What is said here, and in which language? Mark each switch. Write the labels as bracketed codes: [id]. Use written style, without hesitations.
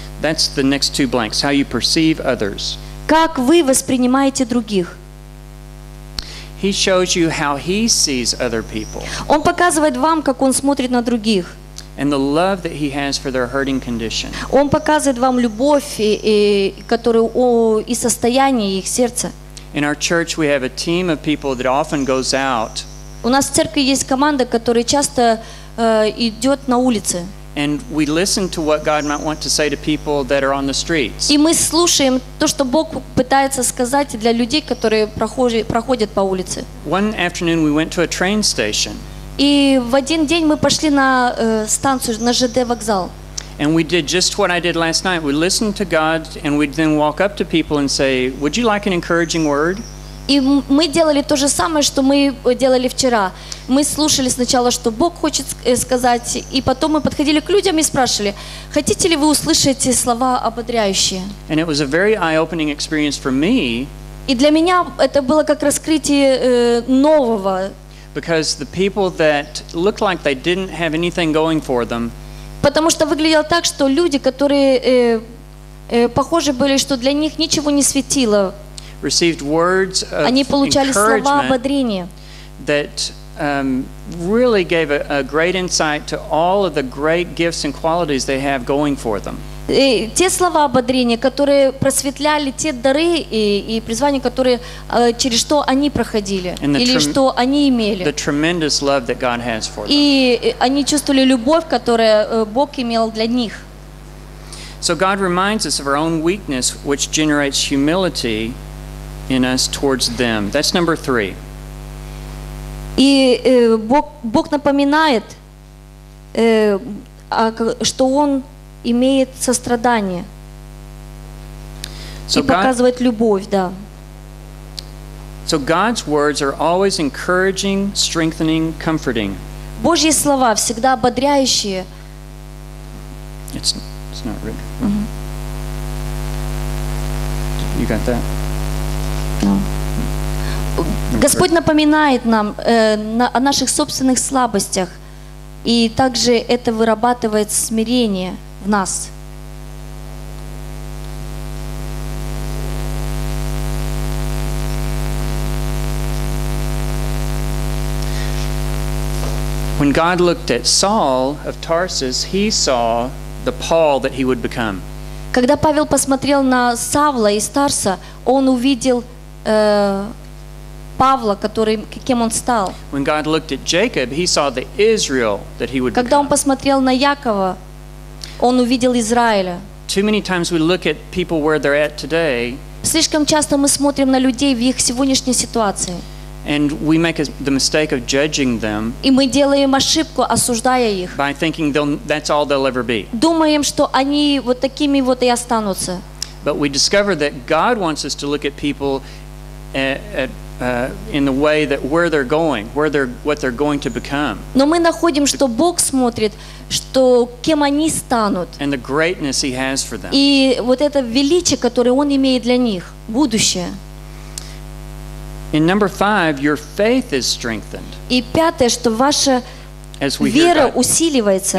[en] That's the next two blanks, how you perceive others. [ru] Как вы воспринимаете других? [en] He shows you how he sees other people. [ru] Он показывает вам, как он смотрит на других. [en] And the love that he has for their hurting condition. [ru] Он показывает вам любовь, и состояние их сердца. [en] In our church we have a team of people that often goes out. [ru] У нас в церкви есть команда, которая часто идет на улицы. [en] And we listen to what God might want to say to people that are on the streets. [ru] И мы слушаем то, что Бог пытается сказать для людей, которые проходят по улице. [en] One afternoon we went to a train station. [ru] И в один день мы пошли на станцию, на ЖД вокзал. [en] And we did just what I did last night. We listened to God and we'd then walk up to people and say, "Would you like an encouraging word?" [ru] И мы делали то же самое, что мы делали вчера. Мы слушали сначала, что Бог хочет сказать, и потом мы подходили к людям и спрашивали, хотите ли вы услышать слова ободряющие? [en] And it was a very eye-opening experience for me. [ru] И для меня это было как раскрытие нового. [en] Because the people that looked like they didn't have anything going for them. [ru] Потому что выглядело так, что люди, которые похожи были, что для них ничего не светило. [en] Received words of [ru] Они получали [en] encouragement [ru] слова ободрения. [en] That really gave a great insight to all of the great gifts and qualities they have going for them. [ru] И те слова ободрения, которые просветляли те дары и призвания, которые через что они проходили или что они имели. [en] The tremendous love that God has for them. [ru] И они чувствовали любовь, которую Бог имел для них. [en] So God reminds us of our own weakness, which generates humility in us towards them. That's number three. [ru] И Бог напоминает, что Он имеет сострадание и показывает любовь, да. [en] So God's words are always encouraging, strengthening, comforting. [ru] Божьи слова всегда ободряющие. [en] It's not written. Mm-hmm. You got that? [ru] Господь напоминает нам о наших собственных слабостях, и также это вырабатывает смирение в нас. [en] When God looked at Saul of Tarsus, he saw the Paul that he would become. [ru] Когда Павел посмотрел на Савла из Тарса, он увидел Павла, кем он стал. [en] When God looked at Jacob, he saw the Israel that he would [ru] become. Когда он посмотрел на Якова, он увидел Израиля. [en] Too many times we look at people where they're at today. [ru] Слишком часто мы смотрим на людей в их сегодняшней ситуации. [en] And we make the mistake of judging them. [ru] И мы делаем ошибку, осуждая их. [en] By thinking that's all they'll ever be. [ru] Думаем, что они вот такими вот и останутся. [en] But we discover that God wants us to look at people in the way that where they're going, where they're what they're going to become. [ru] Но мы находим, что Бог смотрит, что кем они станут. [en] And the greatness He has for them. [ru] И вот это величие, которое Он имеет для них, будущее. [en] In number 5, your faith is strengthened. [ru] И пятое, что ваша вера усиливается.